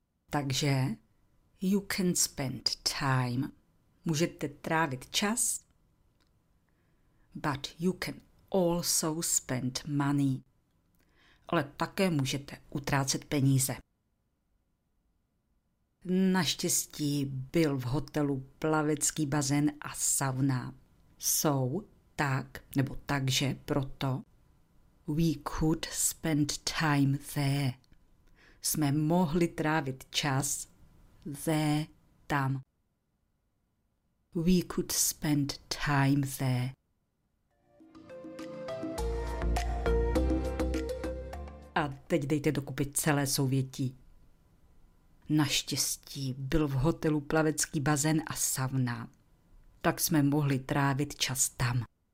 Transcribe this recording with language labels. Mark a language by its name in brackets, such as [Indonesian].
[Czech] Takže [English] you can spend time, [Czech] můžete trávit čas, [English] but you can also spend money, [Czech] ale také můžete utrácet peníze. Naštěstí byl v hotelu plavecký bazén a sauna. [English] So, [Czech] tak, nebo takže, proto, [English] we could spend time there. [Czech] Jsme mohli trávit čas there, tam. [English] We could spend time there. [Czech] A teď dejte dokupy celé souvětí. Naštěstí byl v hotelu plavecký bazén a sauna, tak jsme mohli trávit čas tam.